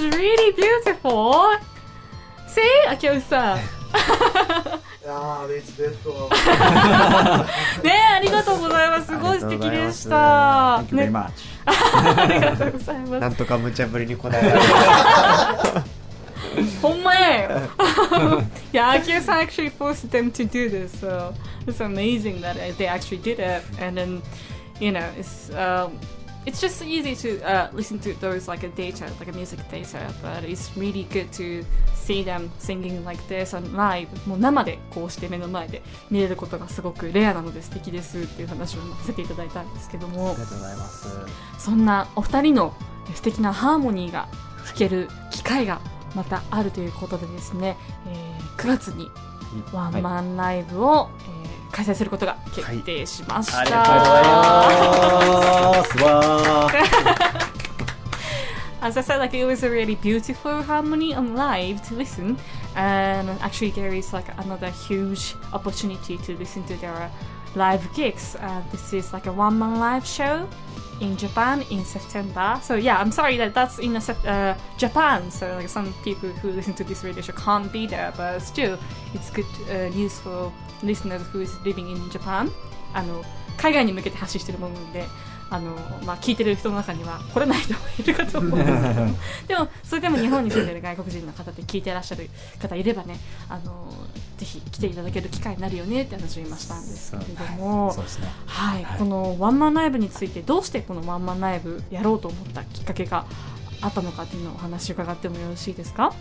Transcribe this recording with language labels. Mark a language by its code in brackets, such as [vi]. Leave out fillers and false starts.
[en] Wow, that is really beautiful. See, Akio-san. Yeah, it's beautiful. [ja] ねえ、ありがとうございます。すごい素敵でした。 [en] Thank you very much. [ja] ありがとうございます。なんとか無茶ぶりに答えほんまやよ。 [en] Yeah, Akio-san actually forced them to do this. So, it's amazing that they actually did it. And then, you know, it's just easy to listen to those like a data, like a music data, but it's really good to see them singing like this on live. [ja] もう生でこうして目の前で見れることがすごくレアなので素敵ですっていう話をさせていただいたんですけども。ありがとうございます。そんなお二人の素敵なハーモニーが吹ける機会がまたあるということでですね、9月にワンマンライブを、はい開催することが決定しました、はい、ありがとうございますわ [en] As I said, like, it was a really beautiful harmony on live to listen. And actually, there is like another huge opportunity to listen to their live gigs. This is like a one-man live show in Japan in September. So yeah, I'm sorry that that's in Japan. So like, some people who listen to this radio show can't be there. But still, it's good news for listeners who is living in Japan. [ja] 海外に向けて発信してるものでまあ、聞いてる人の中には来れない人もいるかと思うんですけどでもそれでも日本に住んでる外国人の方で聞いてらっしゃる方いればねぜひ来ていただける機会になるよねって話を言いましたんですけれどもこのワンマンライブについてどうしてこのワンマンライブやろうと思ったきっかけがあったのかというのをお話伺ってもよろしいですか。